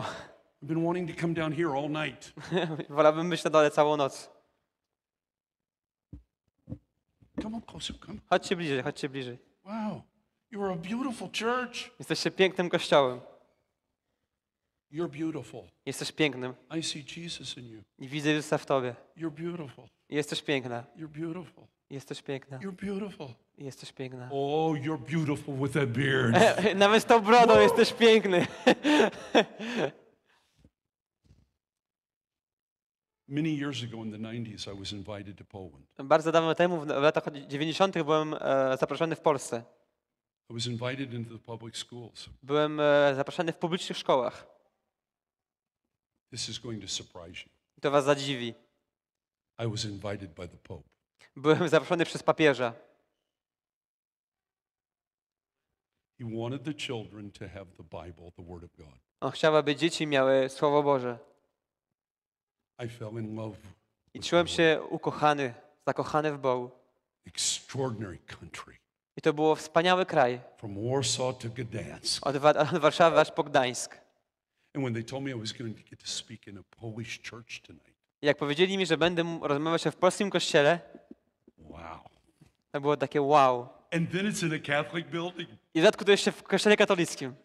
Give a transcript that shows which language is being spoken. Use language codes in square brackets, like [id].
[en] I've been wanting to come down here all night. [pl] Wolałbym być na dole całą noc. [en] Come up closer, come. [pl] Chodźcie bliżej, chodźcie bliżej. [en] Wow, you are a beautiful church. [pl] Jesteście pięknym kościołem. [en] You're beautiful. [pl] Jesteś pięknym. [en] I see Jesus in you. [pl] I widzę Jezusa w tobie. [en] You're beautiful. [pl] Jesteś piękna. [en] You're beautiful. [pl] Jesteś piękna. [en] You're beautiful. [pl] Jesteś piękna. [en] Oh, you're beautiful with that beard. [pl] Nawet z tą brodą jesteś piękny. [en] Many years ago in the 90s I was invited to Poland. [pl] Bardzo dawno temu w latach 90 byłem zaproszony w Polsce. [en] I was invited into the public schools. [pl] Byłem zaproszony w publicznych szkołach. [en] This is going to surprise you. [pl] To was zadziwi. [en] I was invited by the Pope. [pl] Byłem zaproszony przez papieża. [en] He wanted the children to have the Bible, the Word of God. [pl] On chciał, aby dzieci miały Słowo Boże. [en] I fell in love. [pl] I czułem się ukochany, zakochany w Bogu. [en] Extraordinary country. [pl] I to było wspaniały kraj. [en] From Warsaw to Gdańsk. [pl] Od Warszawy aż po Gdańsk. [en] And when they told me I was going to get to speak in a Polish church tonight. [pl] Jak powiedzieli mi, że będę rozmawiać w polskim kościele, [en] wow. [pl] To było takie wow. [en] And then it's in a Catholic building. [pl] I w dodatku to jeszcze w kościele katolickim.